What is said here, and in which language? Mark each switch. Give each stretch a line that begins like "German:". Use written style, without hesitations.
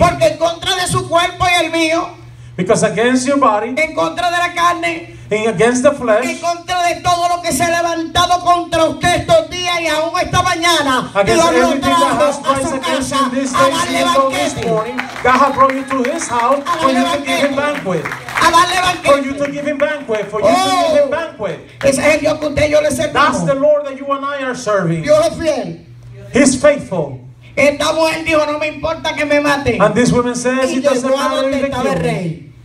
Spanish: Porque en contra de su cuerpo y el mío.
English: Because against your body,
Spanish: en contra de la carne,
English: and against the flesh,
Spanish: en contra de todo lo que se ha levantado contra usted estos días y aún esta mañana, que lo han traído a su casa, a darle banquete.
English: God has brought you to his house for you to give him banquet. For you to give him banquet. For you to give him banquet.
Spanish: Ese es el Dios que usted y yo le servimos.
English: That's the Lord that you and I are serving.
Spanish: Dios es fiel.
English: He's faithful.
Spanish: Esta mujer dijo, no me importa que me mate.
English: And this woman says, it doesn't matter if they kill me.